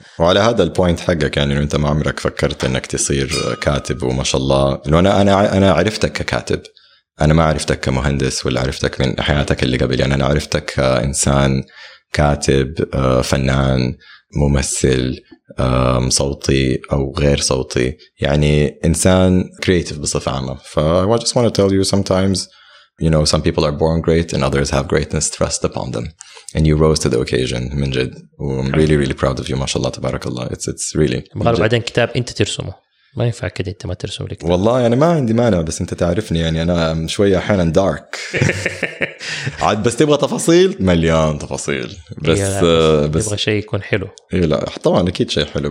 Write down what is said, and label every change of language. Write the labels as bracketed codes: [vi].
[ar] وعلى هذا البوينت حقك يعني، أنت ما عمرك فكرت أنك تصير كاتب وما شاء الله؟ أنا عرفتك ككاتب، أنا ما عرفتك كمهندس ولا عرفتك من حياتك اللي قبل يعني، أنا عرفتك كإنسان كاتب فنان ممثل صوتي أو غير صوتي، يعني إنسان كرياتيف بصفة عامة. [en] ف I just want to tell you sometimes you know some people are born great and others have greatness thrust upon them and you rose to the occasion. [ar] من جد [en] I'm really really proud of you. [ar] ما شاء الله تبارك الله. [en] It's really [ar] بعدين كتاب أنت ترسمه، ما ينفع كده أنت ما ترسم لك. والله أنا ما عندي مانع، بس أنت تعرفني يعني أنا شوية أحيانا دارك عاد بس تبغى تفاصيل مليان تفاصيل، بس بس تبغى شيء يكون حلو. إيه لا طبعا أكيد شيء حلو،